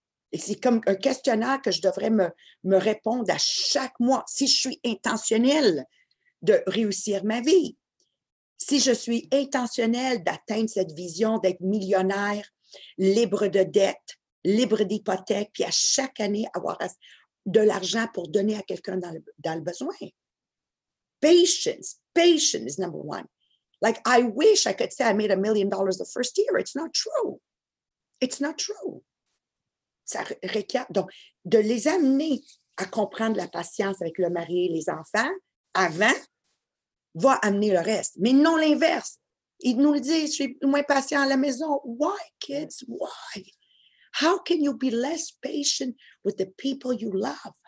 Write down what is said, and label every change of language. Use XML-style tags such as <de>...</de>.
<fr>Et c'est comme un questionnaire que je devrais me répondre à chaque mois si je suis intentionnelle de réussir ma vie. Si je suis intentionnelle d'atteindre cette vision d'être millionnaire, libre de dettes, libre d'hypothèque, puis à chaque année avoir de l'argent pour donner à quelqu'un dans le besoin.</fr> <en>Patience. Patience is number one. Like, I wish I could say I made $1 million the first year. It's not true. It's not true.</en> <fr>Ça requiert, donc, de les amener à comprendre la patience avec le mari et les enfants avant va amener le reste. Mais non l'inverse. Ils nous le disent, je suis moins patient à la maison.</fr> <en>Why, kids? Why? How can you be less patient with the people you love?</en>